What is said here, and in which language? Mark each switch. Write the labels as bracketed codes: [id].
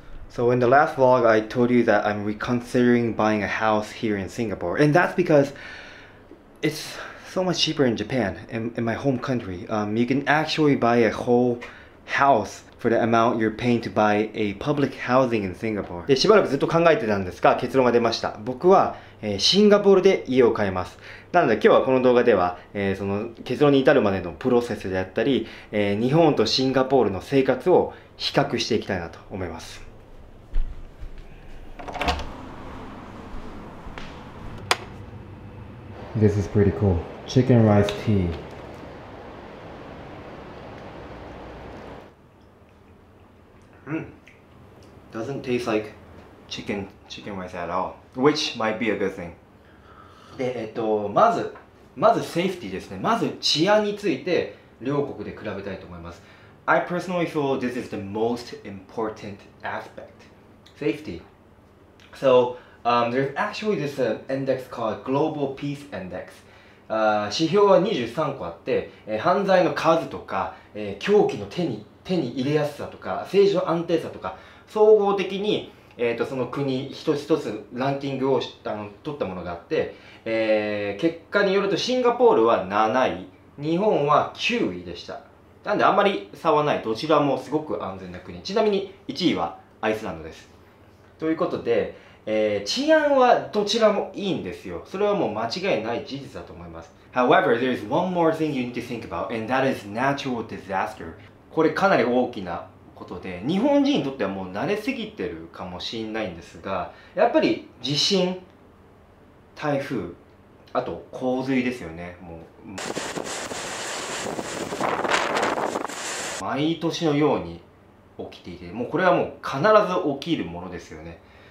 [en] So in the last vlog, I told you that I'm reconsidering buying a house here in Singapore, and that's because it's so much cheaper in Japan, in my home country. You can actually buy a whole house for the amount you're paying to buy a public housing in Singapore. [ja] で、しばらくずっと考えてたんですが、結論が出ました。僕は、シンガポールで家を買います。なので今日はこの動画では、その結論に至るまでのプロセスであったり、日本とシンガポールの生活を比較していきたいなと思います。 [en] This is pretty cool. Chicken rice tea. Doesn't taste like chicken rice at all. Which might be a good thing. [ja] で、まずセーフティーですね。まず治安について両国で比べたいと思います。 [en] I personally feel this is the most important aspect. Safety. So,there's actually this index called Global Peace Index. [ja] 指標は23個あって、犯罪の数とか、凶器の手に入れやすさとか、政治の安定さとか、総合的に、その国一つ一つランキングを取ったものがあって、結果によるとシンガポールは7位、日本は9位でした。なんであんまり差はない。どちらもすごく安全な国。ちなみに1位はアイスランドです。ということで、治安はどちらもいいんですよ。それはもう間違いない事実だと思います。 [en] However, there is one more thing you need to think about, and that is natural disaster. [ja] これかなり大きなことで、日本人にとってはもう慣れすぎてるかもしれないんですが、やっぱり地震、台風、あと洪水ですよね。もう毎年のように起きていて、もうこれはもう必ず起きるものですよね。